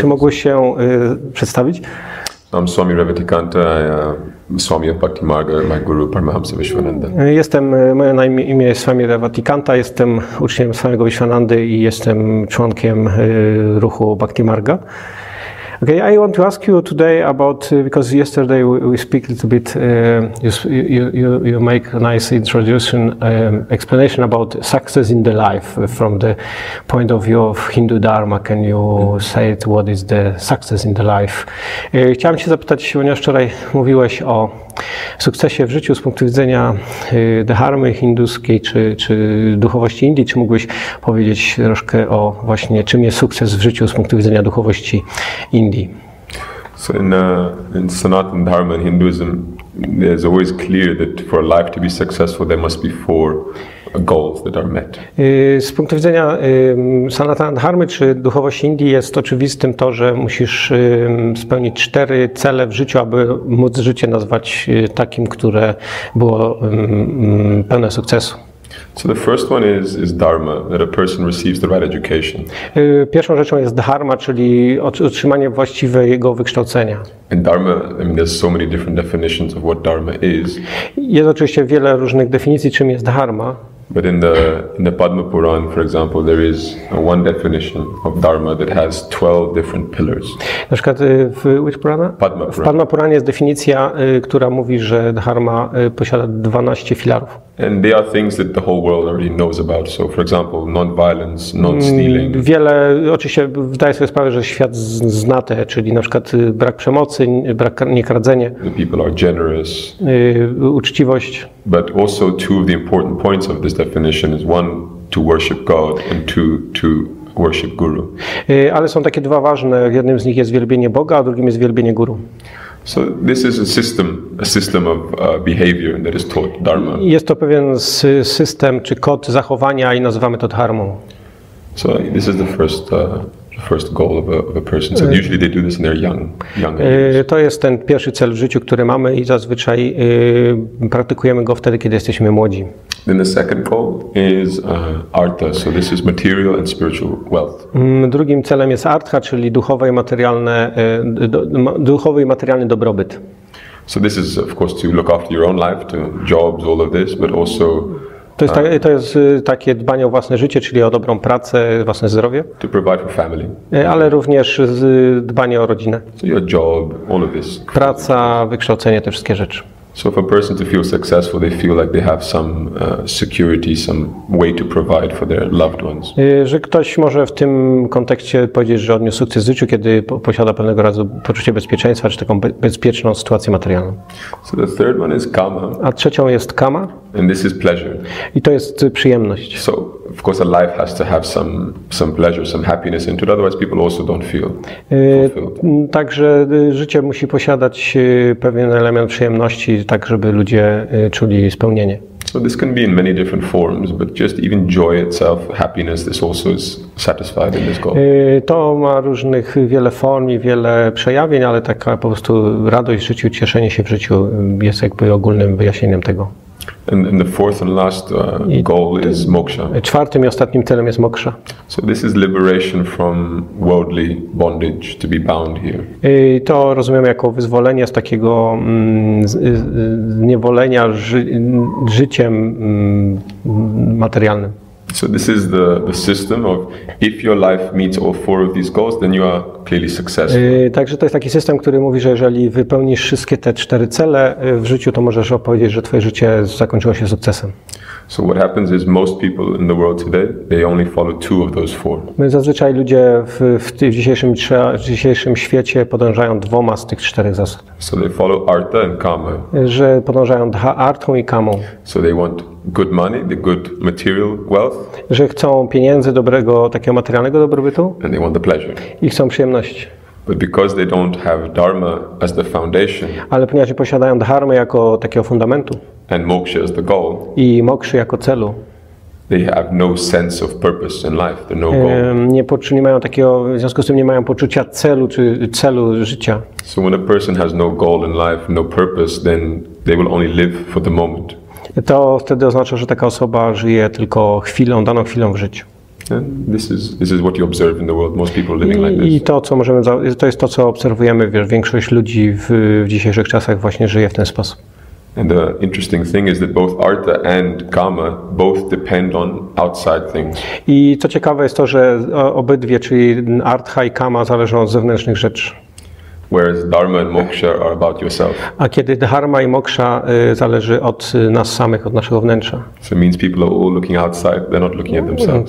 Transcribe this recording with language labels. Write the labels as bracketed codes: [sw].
[pl] Czy mogłeś się przedstawić? [en] I'm Swami Revati Kanta, Swami of Bhakti Marga, my guru Paramahamsa Vishwananda. [pl] Moje imię jest Swami Revati Kanta, jestem uczniem Swamiego Vishwanandy i jestem członkiem ruchu Bhakti Marga. [en] Okay, I want to ask you today about because yesterday we speak a little bit. You make a nice introduction, explanation about success in the life from the point of view of Hindu Dharma. Can you say it? What is the success in the life? [pl] Chciałem cię zapytać, ponieważ wczoraj mówiłeś o sukcesie w życiu z punktu widzenia dharmy hinduskiej czy duchowości Indii, czy mógłbyś powiedzieć troszkę o właśnie czym jest sukces w życiu z punktu widzenia duchowości Indii? [en] So in Sanatan Dharma and Hinduism, there's always clear that for life to be successful, there must be four goals that are met. [pl] Z punktu widzenia Sanatana Dharmy czy duchowości Indii jest oczywistym to, że musisz spełnić cztery cele w życiu, aby móc życie nazwać takim, które było pełne sukcesu. [en] So the first one is dharma, that a person receives the right education. [pl] Pierwszą rzeczą jest dharma, czyli otrzymanie właściwego wykształcenia. [en] And dharma, I mean, there's so many different definitions of what dharma is. [pl] Jest oczywiście wiele różnych definicji, czym jest dharma. [en] But in the Padma Puran, for example, there is one definition of dharma that has 12 different pillars. [pl] Na przykład w [en] which Purana? [pl] Padma Puran. W Padma Puranie jest definicja, która mówi, że dharma posiada 12 filarów. [en] And there are things that the whole world already knows about. So, for example, non-violence, non-stealing. [pl] Wiele, oczywiście zdaję sobie sprawę, że świat zna te, czyli na przykład brak przemocy, brak niekradzenie. [en] The people are generous. [pl] Uczciwość. [en] But also two of the important points of this definition is one, to worship God, and two, to worship Guru. [pl] Ale są takie dwa ważne. Jednym z nich jest wielbienie Boga, a drugim jest wielbienie Guru. [en] So this is a system of behavior that is taught dharma. [pl] Jest to pewien system czy kod zachowania i nazywamy to dharmą. [en] So this is the first goal of a person. So usually they do this when they're young. [pl] To jest ten pierwszy cel w życiu, który mamy i zazwyczaj praktykujemy go wtedy, kiedy jesteśmy młodzi. [en] Then the second goal is artha. So this is material and spiritual wealth. [pl] Drugim celem jest artha, czyli duchowe i materialne duchowy i materialny dobrobyt. [en] So this is of course to look after your own life, to jobs, all of this, but also [pl] to jest takie dbanie o własne życie, czyli o dobrą pracę, własne zdrowie. [en] To provide for family. [pl] Ale również dbanie o rodzinę. [en] So your job, all of this. [pl] Praca, wykształcenie, te wszystkie rzeczy. [en] So if a person to feel successful, they feel like they have some security, some way to provide for their loved ones. [pl] Że ktoś może w tym kontekście powiedzieć, że odniósł sukces w życiu, kiedy posiada pewnego rodzaju poczucie bezpieczeństwa, czy taką bezpieczną sytuację materialną. [en] So the third one is kama. [pl] A trzecią jest kama. [en] And this is pleasure. [pl] I to jest przyjemność. [en] So of course a life has to have some pleasure, some happiness into it, otherwise people also don't feel fulfilled. [pl] Także życie musi posiadać pewien element przyjemności, tak żeby ludzie czuli spełnienie. [en] So this can be in many different forms, but just even joy itself, happiness, this also is satisfied in this goal. [pl] To ma różnych wiele form i wiele przejawień, ale taka po prostu radość w życiu, cieszenie się w życiu jest jakby ogólnym wyjaśnieniem tego. [en] And the fourth and last goal is moksha. [pl] Czwartym i ostatnim celem jest moksha. [en] So this is liberation from worldly bondage, to be bound here. [pl] To rozumiem jako wyzwolenie z takiego zniewolenia życiem materialnym. [en] So this is the system of if your life meets all four of these goals, then you are clearly successful. [pl] Także to jest taki system, który mówi, że jeżeli wypełnisz wszystkie te cztery cele w życiu, to możesz opowiedzieć, że twoje życie zakończyło się sukcesem. [en] So what happens is most people in the world today, they only follow two of those four. [pl] My zazwyczaj ludzie w dzisiejszym świecie podążają dwoma z tych czterech zasad. [en] So they follow artha and kama. [pl] Że podążają artą i kamą. [en] So they want good money, the good material wealth. [pl] Że chcą pieniędzy dobrego, takiego materialnego dobrobytu. [en] And they want the pleasure. [pl] I chcą przyjemności. [en] But because they don't have dharma as the foundation. [pl] Ale ponieważ nie posiadają dharmy jako takiego fundamentu. [en] And moksha as the goal. [pl] I mokszy jako celu. [en] They have no sense of purpose in life. They have no goal. [pl] Nie poczuli, mają takiego, w związku z tym nie mają poczucia celu czy celu życia. [en] So when a person has no goal in life, no purpose, then they will only live for the moment. [pl] To wtedy oznacza, że taka osoba żyje tylko chwilą, daną chwilą w życiu. [en] And this is what you observe in the world. Most people living like this. [pl] I to, co możemy, to jest to, co obserwujemy, wiesz, większość ludzi w dzisiejszych czasach właśnie żyje w ten sposób. [en] And the interesting thing is that both artha and kama both depend on outside things. [pl] I co ciekawe jest to, że obydwie, czyli artha i kama, zależą od zewnętrznych rzeczy. [en] Whereas dharma and moksha are about yourself. [pl] A kiedy dharma i moksha zależy od nas samych, od naszego wnętrza. [en] So it means people are all looking outside, they're not looking at themselves.